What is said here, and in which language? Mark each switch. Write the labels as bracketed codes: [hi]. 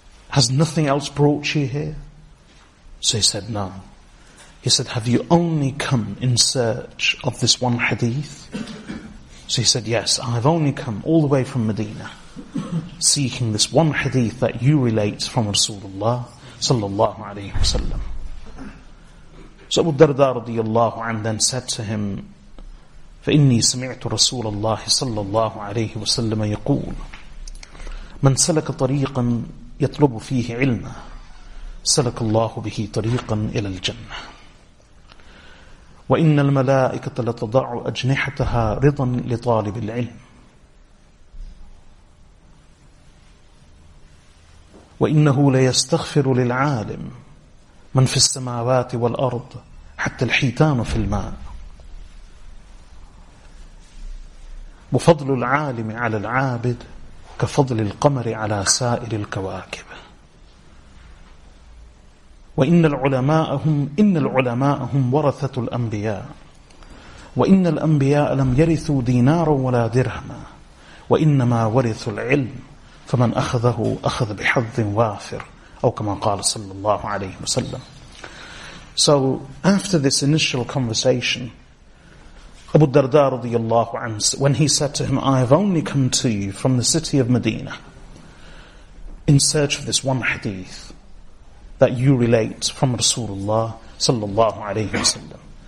[en] Has nothing else brought you here?" So he said, "No." He said, "Have you only come in search of this one hadith?" So he said, "Yes, I've only come all the way from Medina seeking this one hadith that you relate from Rasulullah sallallahu alayhi wa sallam." So Abu Darda radiyallahu anhu then said to him, [ar] "فَإِنِّي سَمِعْتُ رَسُولَ اللَّهِ صَلَّى اللَّهُ عَلَيْهِ وَسَلَّمَ يَقُولُ مَنْ سَلَكَ طَرِيقًا يَطْلُبُ فِيهِ عِلْمًا سَلَكَ اللَّهُ بِهِ طَرِيقًا إِلَى الْجَنَّةِ وَإِنَّ الْمَلَائِكَةَ لَتَضَعُ أَجْنِحَتَهَا رِضًا لِطَالِبِ الْعِلْمِ وَإِنَّهُ لَيَسْتَغْفِرُ لِلْعَالِمِ مَنْ فِي السَّمَاوَاتِ وَالْأَرْضِ حَتَّى الْحِيتَانُ فِي الْمَاءِ وَفَضْلُ الْعَالِمِ عَلَى الْعَابِدِ كَفَضْلِ الْقَمَرِ عَلَى سَائِرِ الْكَوَاكِبِ وَإِنَّ الْعُلَمَاءَ هُمْ وَرَثَةُ الْأَنْبِيَاءِ وَإِنَّ الْأَنْبِيَاءَ لَمْ يَرِثُوا دِينَارًا وَلَا دِرْهَمًا وَإِنَّمَا وَرِثُوا الْعِلْمَ فَمَنْ أَخَذَهُ أَخَذَ بِحَظٍّ وَافِرٍ أَوْ كَمَا قَالَ صَلَّى اللَّهُ عَلَيْهِ وَسَلَّمَ." [en] So after this initial conversation, Abu Darda radiallahu anhu, when he said to him, I have only come to you from the city of Medina in search of this one hadith that you relate from Rasulullah sallallahu alayhi wa sallam.